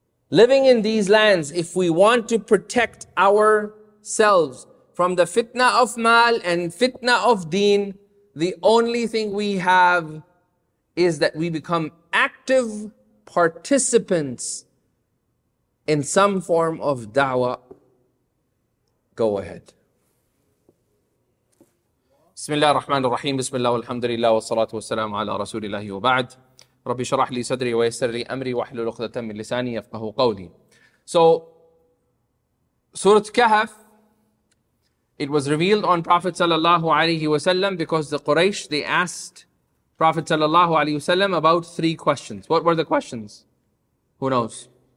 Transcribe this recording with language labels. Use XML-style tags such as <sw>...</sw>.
<en>Living in these lands, if we want to protect ourselves from the fitna of mal and fitna of deen, the only thing we have is that we become active participants in some form of da'wah. Go ahead.</en> <ar>بسم الله الرحمن الرحيم بسم الله والحمد لله والصلاة والسلام على رسول الله وبعد ربي شرح لي صدري ويسر لي أمري وحلل عقدة من لساني يفقه قولي.</ar> <en>So Surah Kahf, it was revealed on Prophet sallallahu alaihi wasallam, because the Quraysh, they asked Prophet sallallahu alaihi wasallam about three questions. What were the questions? Who knows?</en>